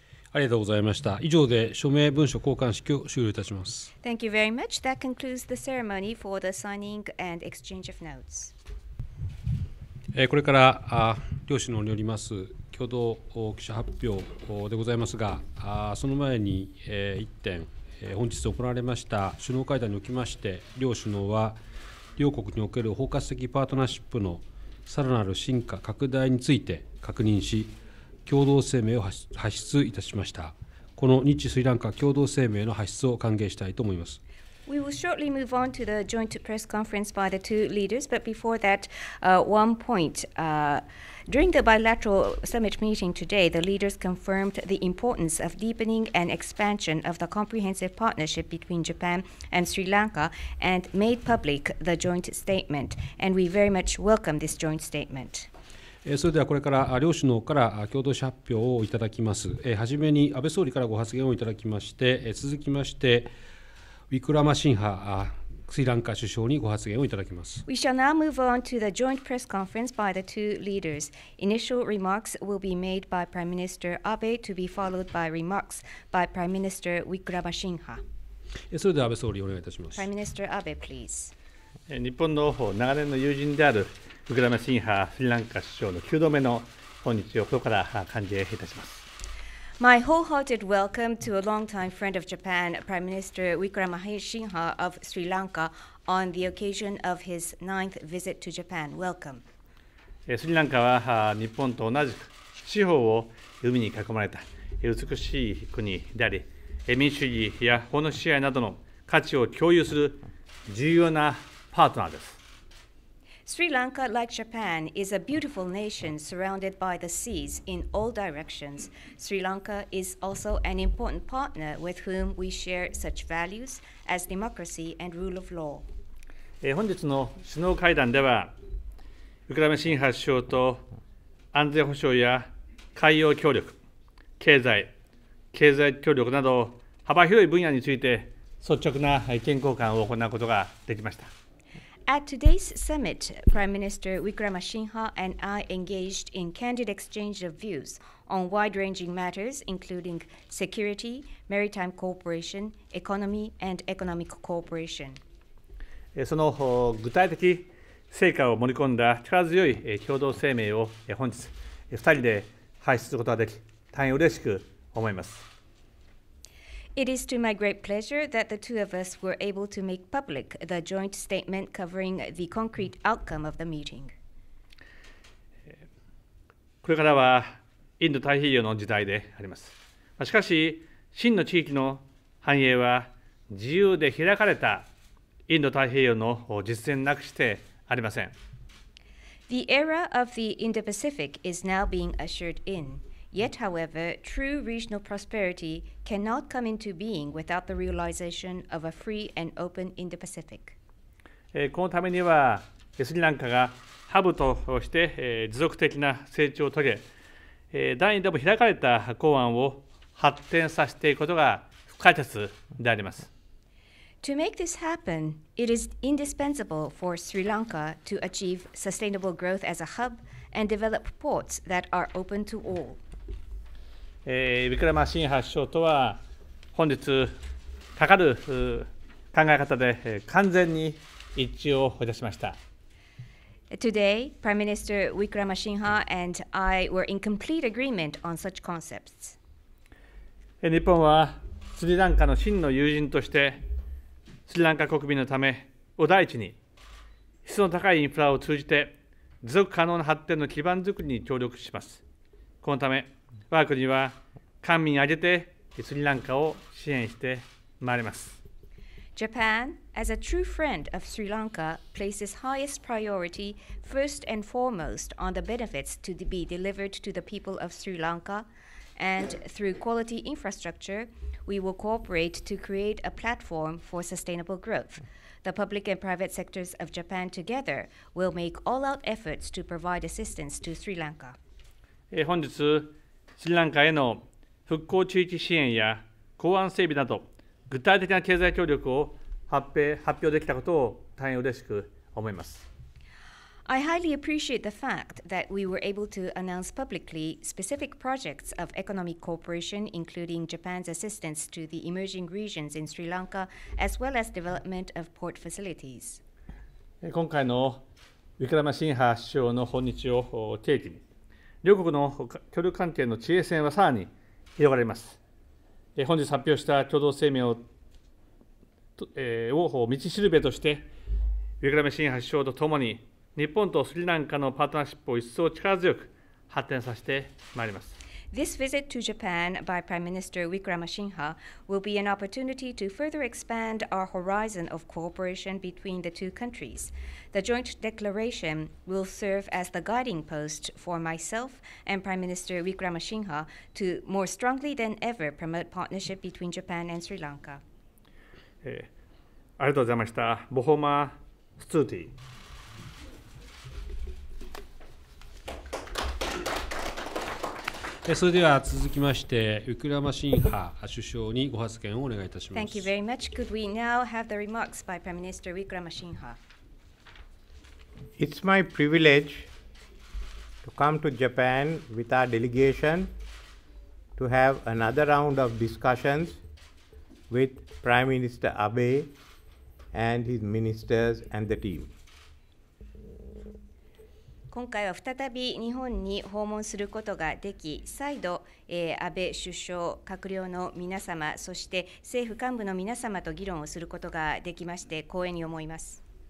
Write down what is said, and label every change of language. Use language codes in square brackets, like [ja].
[ja] ありがとうございました。以上で署名文書交換式を終了いたします。 [en] Thank you very much. That concludes the ceremony for the signing and exchange of notes. [ja] これから両首脳によります共同記者発表でございますが、その前に1点、本日行われました首脳会談におきまして、両首脳は両国における包括的パートナーシップのさらなる進化拡大について確認し、共同声明を発出いたしました。この日スリランカ共同声明の発出を歓迎したいと思います。 [en] We will shortly move on to the joint press conference by the two leaders, but before that, one point. During the bilateral summit meeting today, the leaders confirmed the importance of deepening and expansion of the comprehensive partnership between Japan and Sri Lanka and made public the joint statement, and we very much welcome this joint statement. [ja] それではこれから両首脳から共同発表をいただきます。はじめに安倍総理からご発言をいただきまして、続きましてウィクラマシンハ、スリランカ首相にご発言をいただきます。 [en] We shall now move on to the joint press conference by the two leaders. Initial remarks will be made by Prime Minister Abe to be followed by remarks by Prime Minister Wickramasinghe. [ja] それでは安倍総理お願いいたします。 [en] Prime Minister Abe, please. [ja] 日本の長年の友人であるウィクラマシンハ、スリランカ首相の9度目の訪日を心から歓迎いたします。 [en] My wholehearted welcome to a long-time friend of Japan, Prime Minister Wickramasinghe of Sri Lanka, on the occasion of his 9th visit to Japan. Welcome. [ja] Sri Lanka は日本と同じく四方を海に囲まれた美しい国であり、民主主義や法の支配などの価値を共有する重要なパートナーです。 [en] Sri Lanka, like Japan, is a beautiful nation surrounded by the seas in all directions. Sri Lanka is also an important partner with whom we share such values as democracy and rule of law. [ja] 本日の首脳会談では、ウィクラマシンハ首相と安全保障や海洋協力、経済協力など幅広い分野について率直な意見交換を行うことができました。 [en] At today's summit, Prime Minister Wickramasinghe and I engaged in candid exchange of views on wide-ranging matters, including security, maritime cooperation, economy, and economic cooperation. [ja] その具体的成果を盛り込んだ力強い共同声明を本日2人で発出することができ、大変嬉しく思います。 [en] It is to my great pleasure that the two of us were able to make public the joint statement covering the concrete outcome of the meeting. [ja] これからはインド太平洋の時代であります。しかし、真の地域の繁栄は自由で開かれたインド太平洋の実践なくしてありません。 [en] The era of the Indo-Pacific is now being ushered in. Yet, however, true regional prosperity cannot come into being without the realization of a free and open Indo-Pacific. [ja] このためには、スリランカがハブとして持続的な成長を遂げ、第二でも開かれた港湾を発展させていくことが不可欠であります。 [en] To make this happen, it is indispensable for Sri Lanka to achieve sustainable growth as a hub and develop ports that are open to all. [ja] ウィクラマシンハ首相とは本日かかる考え方で完全に一致をいたしました。 [en] Today, Prime Minister Wickramasinghe and I were in complete agreement on such concepts. [ja] 日本はスリランカの真の友人としてスリランカ国民のためを第一に質の高いインフラを通じて持続可能な発展の基盤づくりに協力します。このため我が国は官民挙げてスリランカを支援してまいります。 [en] Japan, as a true friend of Sri Lanka, places highest priority, first and foremost, on the benefits to be delivered to the people of Sri Lanka, and through quality infrastructure, we will cooperate to create a platform for sustainable growth. The public and private sectors of Japan together will make all-out efforts to provide assistance to Sri Lanka. [ja] 本日スリランカへの復興地域支援や港湾整備など具体的な経済協力を発表できたことを大変嬉しく思います。 [en] I highly appreciate the fact that we were able to announce publicly specific projects of economic cooperation, including Japan's assistance to the emerging regions in Sri Lanka, as well as development of port facilities. [ja] 今回のウィクラマシンハ首相の訪日を契機に両国の協力関係の地平線はさらに広がります。本日発表した共同声明を道しるべとして、ウィクラマシンハ首相とともに、日本とスリランカのパートナーシップを一層力強く発展させてまいります。 [en] This visit to Japan by Prime Minister Wickramasinghe will be an opportunity to further expand our horizon of cooperation between the two countries. The joint declaration will serve as the guiding post for myself and Prime Minister Wickramasinghe to more strongly than ever promote partnership between Japan and Sri Lanka. [ja] ありがとうございました。 [si] ボホーマースツーティー。 [ja] それでは続きまして、ウィクラマシンハ首相にご発言をお願いいたします。 [en] Thank you very much. Could we now have the remarks by Prime Minister Wickramasinghe? It's my privilege to come to Japan with our delegation to have another round of discussions with Prime Minister Abe and his ministers and the team. [ja] 今回は再び日本に訪問することができ、再度、安倍首相、閣僚の皆様、そして政府幹部の皆様と議論をすることができまして、光栄に思います。